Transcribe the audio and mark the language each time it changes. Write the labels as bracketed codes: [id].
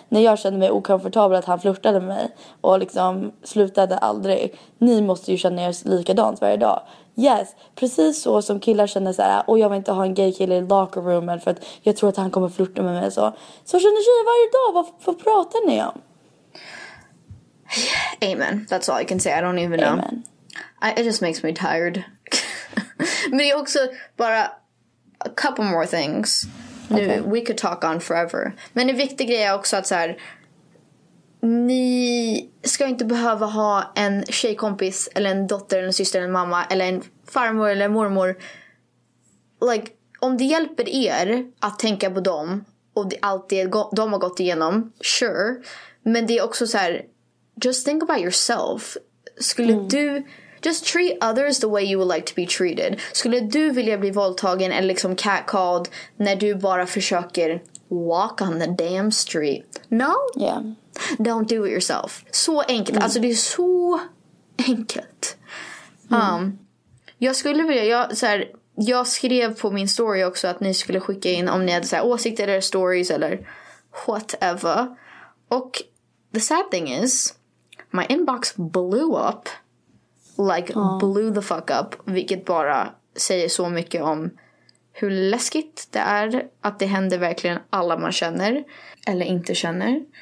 [sv] När jag kände mig okomfortabel att han flörtade med mig och liksom slutade aldrig. Ni måste ju känna er likadant varje dag. Yes, precis så som killar känner så här, och jag vill inte ha en gay kille i locker roomen för att jag tror att han kommer flörta med mig. Så känner tjejer varje dag, vad pratar ni om? [en] Amen, that's all I can say, I don't even know. Amen. It just makes me tired. [sv] Men det är också bara [en] a couple more things. [sv] Nu, okay. [en] We could talk on forever. [sv] Men en viktig grej är också att så här, ni ska inte behöva ha en tjejkompis eller en dotter eller en syster eller en mamma eller en farmor eller mormor. Like, om det hjälper er att tänka på dem och allt det de har gått igenom, sure. Men det är också så här, [en] just think about yourself. [sv] Skulle du, [en] just treat others the way you would like to be treated. [sv] Skulle du vilja bli våldtagen eller liksom catcalled när du bara försöker [en] walk on the damn street? No? Yeah. Don't do it yourself. [sv] Så enkelt. Mm. Alltså det är så enkelt. Jag skulle vilja, jag skrev på min story också att ni skulle skicka in om ni hade så här, åsikter eller stories eller whatever. [en] Och the sad thing is, my inbox blew up. Like, blew the fuck up. [sv] Vilket bara säger så mycket om hur läskigt det är att det händer verkligen alla man känner eller inte känner.